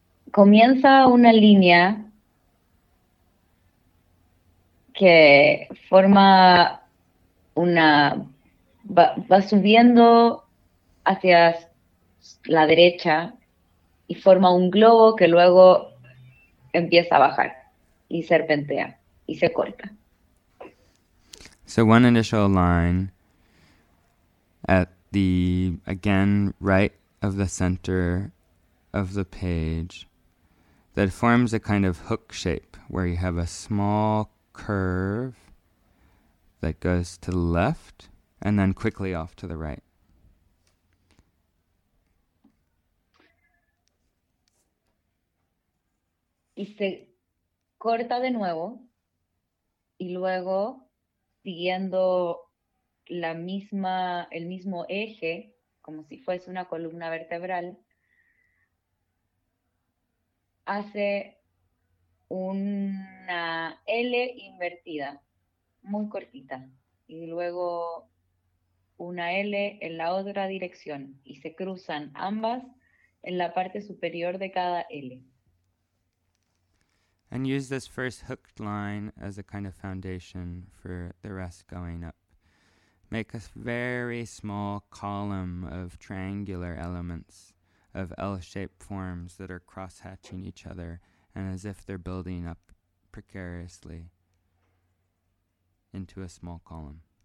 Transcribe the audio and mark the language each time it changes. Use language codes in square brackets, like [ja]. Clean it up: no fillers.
[es] Comienza una línea que forma una, va subiendo hacia la derecha y forma un globo que luego empieza a bajar y serpentea y se corta. [en] So one initial line at the, again, right of the center of the page that forms a kind of hook shape where you have a small curve that goes to the left and then quickly off to the right. [es] Y se corta de nuevo y luego siguiendo la misma, el mismo eje, como si fuese una columna vertebral, hace una L invertida, muy cortita, y luego una L en la otra dirección, y se cruzan ambas en la parte superior de cada L. [en] And use this first hooked line as a kind of foundation for the rest going up. Make a very small column of triangular elements, of L-shaped forms that are cross-hatching each other and as if they're building up precariously into a small column.